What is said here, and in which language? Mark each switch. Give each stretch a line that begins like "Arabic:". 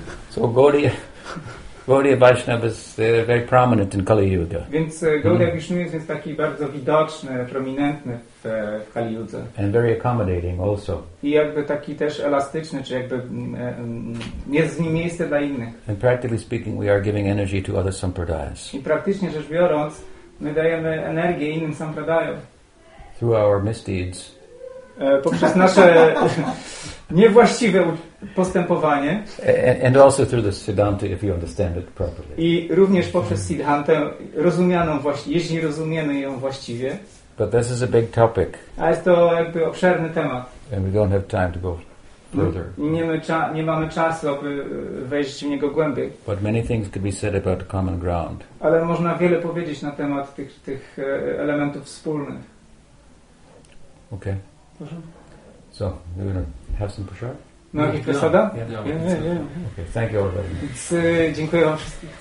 English: So Gaudiya, Gaudiya Vaishnava is very prominent in Kali Yuga.
Polish: Więc Gaudiya Vishnu jest taki bardzo widoczny, prominentny w Kali Yudze.
English: And very accommodating also.
Polish: I jakby taki też elastyczny, czy jakby jest z nim miejsce dla innych.
English: And practically speaking, we are giving energy to other sampradayas.
Polish: I praktycznie rzecz biorąc, my dajemy energię innym sampradajom.
English: Through our misdeeds.
Polish: Poprzez nasze niewłaściwe postępowanie.
English: And also through the Siddhanta, if you understand it properly.
Polish: I również poprzez Siddhantę rozumianą właśnie, jeśli rozumiemy ją właściwie.
English: But this is a big topic.
Polish: A jest to jakby obszerny temat.
English: And we don't have time to go further.
Polish: Nie mamy czasu, aby wejść w niego głębiej.
English: But many things could be said about common ground.
Polish: Ale można wiele powiedzieć na temat tych elementów wspólnych.
English: Okay. So, we're going to have some prasad?
Polish: No, jakieś
English: prasada? Okay, thank you all very much.
Polish: Dziękuję wam wszystkim.